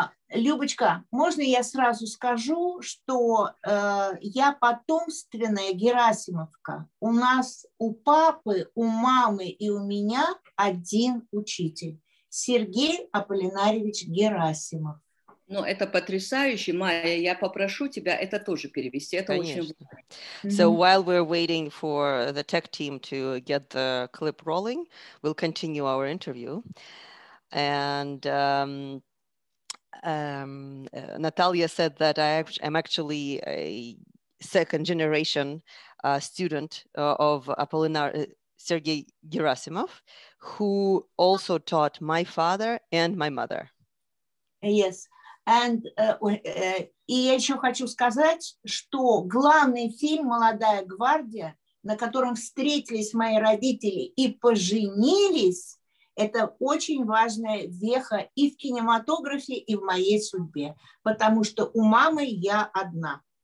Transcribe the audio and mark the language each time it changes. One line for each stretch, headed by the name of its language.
Russian: Любочка, можно я сразу скажу, что я потомственная герасимовка. У нас у папы, у мамы и у меня один учитель. Сергей Аполлинарьевич Герасимов. Ну, это потрясающе. Майя, я попрошу тебя это тоже перевести. Это конечно. Очень важно.
English: So while we're waiting for the tech team to get the clip rolling, we'll continue our interview. And Natalia said that I'm actually a second generation student of Sergei Gerasimov, who also taught my father and my mother. Yes, and
Russian: и я еще хочу сказать, что главный фильм «Молодая гвардия», на котором встретились мои родители и поженились, это очень важная веха и в кинематографе, и в моей судьбе, потому что у мамы я одна.